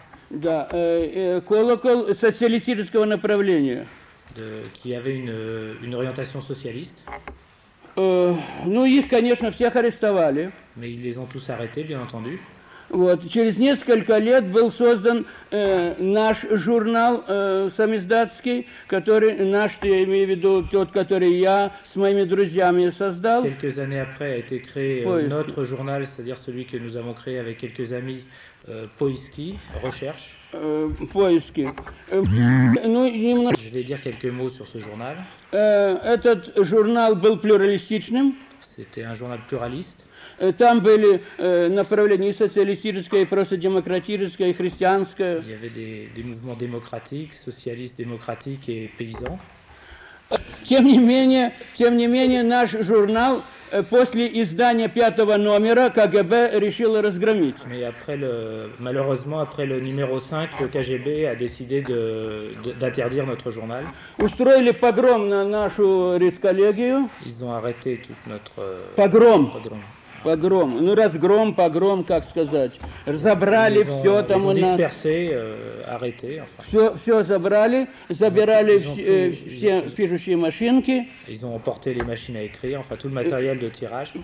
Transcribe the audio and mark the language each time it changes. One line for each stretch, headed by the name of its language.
Russian: Да, колокол социалистического направления.
French: Qui avait une orientation socialiste.
Russian: Ну, их, конечно, всех арестовали.
French: Mais ils les ont tous arrêtés, bien entendu.
Russian: Вот, через несколько лет был создан наш журнал самиздатский, который наш, я имею в виду, тот, который я с моими друзьями создал.
French: Quelques années après a été créé notre journal, c'est-à-dire celui que nous avons créé avec quelques amis Poiski, Recherche.
Russian: Поиски. Ну, немного...
French: Je vais dire quelques mots sur ce journal.
Russian: Этот журнал был плюралистичным.
French: C'était un journal pluraliste.
Russian: Там были направления социалистическое, просто демократическое, христианское.
French: Il y avait des mouvements démocratiques, socialistes, démocratiques et paysans.
Russian: Тем не менее, наш журнал после издания пятого номера КГБ решило разгромить.
French: Mais après malheureusement après le numéro 5, le KGB a décidé d'interdire notre journal.
Russian: Устроили погром на нашу редколлегию.
French: Ils ont arrêté toute notre
Russian: Погром. Погром. Ну, разгром, погром, как сказать. Разобрали все там у нас.
French: Dispersé, arrêté, enfin.
Russian: Все забрали, забирали все пишущие машинки.
French: Ils ont emporté les machines à écrire, enfin, tout le matériel de tirage.